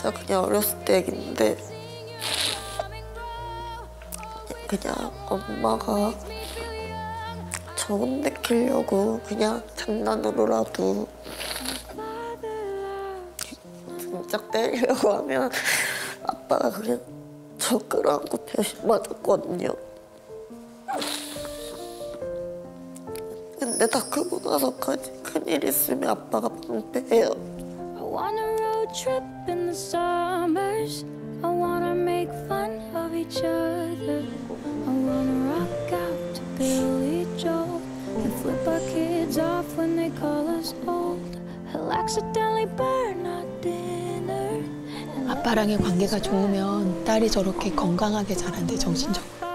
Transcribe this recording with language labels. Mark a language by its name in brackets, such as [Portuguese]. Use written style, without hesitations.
[Korean] 그냥 어렸을 때 얘긴데 그냥 엄마가 저 혼내 키려고 그냥 장난으로라도 진짜 때리려고 하면 아빠가 그냥 저 끌어안고 대신 맞았거든요. 근데 다 크고 나서까지 큰일 있으면 아빠가 방패예요. [English] Trip in the summers. I wanna make fun of each other. I wanna rock out to Billy Joel and flip our kids off when they call us old. He'll accidentally burn our dinner. [Korean] 아빠랑의 관계가 좋으면 딸이 저렇게 건강하게 자란대 정신적으로.